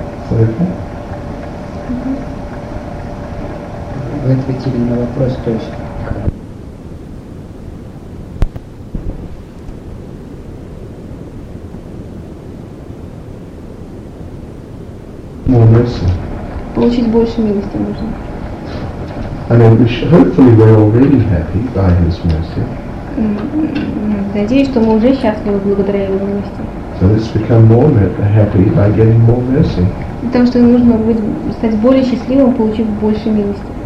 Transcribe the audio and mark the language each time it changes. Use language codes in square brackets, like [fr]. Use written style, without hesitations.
[ru] Вы ответили на вопрос, то есть. Молодцы. Получить больше милости нужно. [en] I mean, hopefully we're already happy by his mercy. [ru] Надеюсь, что мы уже счастливы благодаря его милости. [en] So let's become more happy by getting more mercy. [ru] Потому что нужно будет стать более счастливым, получив больше милости.